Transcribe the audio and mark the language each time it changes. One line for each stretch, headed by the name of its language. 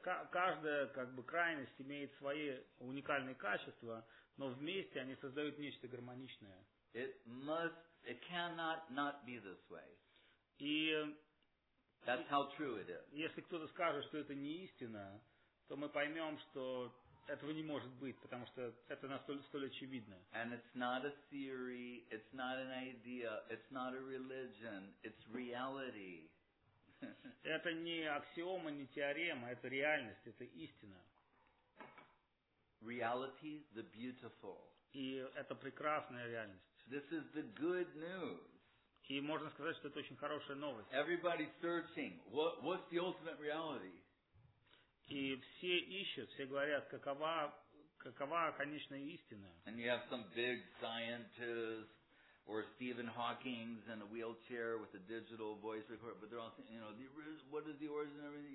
Russian: Каждая как бы крайность имеет свои уникальные качества, но вместе они создают нечто гармоничное.
English: It cannot not be this way.
Russian: И
English: that's how true it is.
Russian: Если кто-то скажет, что это не истина, то мы поймем, что этого не может быть, потому что это столь очевидно.
English: And it's not a theory, it's not an idea, it's not a religion, it's reality.
Russian: Это не аксиома, не теорема, это реальность, это истина.
English: Reality, the beautiful.
Russian: И это прекрасная реальность.
English: This is the good news.
Russian: И можно сказать, что это очень хорошая новость.
English: Everybody's searching. What's the ultimate reality?
Russian: И все ищут, все говорят, какова конечная истина.
English: And you have some big scientists. Or Stephen Hawking in a wheelchair with a digital voice recorder, but they're all saying, you know, what is the origin of everything?